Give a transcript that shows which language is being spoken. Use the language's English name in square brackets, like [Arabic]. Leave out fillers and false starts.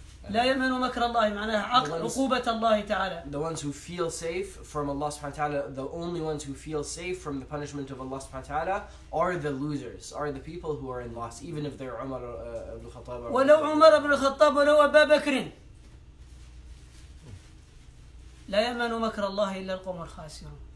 [Arabic] لا يمنوا مكر الله معناها عقوبة الله تعالى. [English] The ones who feel safe from Allah subhanahu wa ta'ala, the only ones who feel safe from the punishment of Allah subhanahu wa ta'ala are the losers, are the people who are in loss, even if they're Umar ibn Khattab. [Arabic] ولو عمر بن الخطاب ولو أبا بكر لا يمنوا مكر الله إلا القوم الخاسرون.